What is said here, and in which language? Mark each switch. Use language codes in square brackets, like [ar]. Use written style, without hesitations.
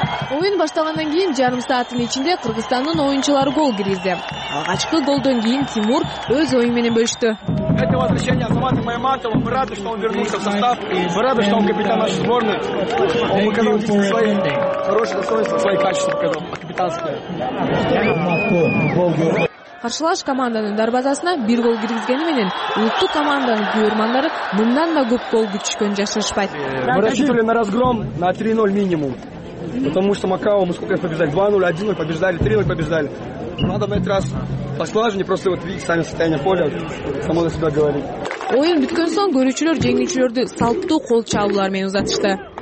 [ky] Оюн башталгандан кийин жарым сааттын ичинде Кыргызстандын оюнчулары гол киргизди. Алгачкы голдон кийин Тимур өз ою менен бөлүштү. [ru] Это возвращение Азамата Майматова. Мы рады, что он вернулся в состав. Мы рады, что он капитан нашей сборной. Он выказал свои хорошие достоинства, свои качества показал. Капитанское. [ky] Каршылаш команданын дарбазасына бир гол киргизгени менен улуттук команданын көрмандары мындан да көп гол күтүшкөн жашырышпайт. [ru] Мы рассчитывали на разгром на 3-0 минимум. Потому что Макао, мы сколько побеждали? 2-0, 1-0 побеждали, 3-0 побеждали. Надо на этот раз посложнее, просто вот видеть сами состояние поля, само за себя говорит. [ky] Оюн бүткөн соң көрүүчүлөр жеңүүчүлөрдү салттуу кол чаалуулар менен узатышты.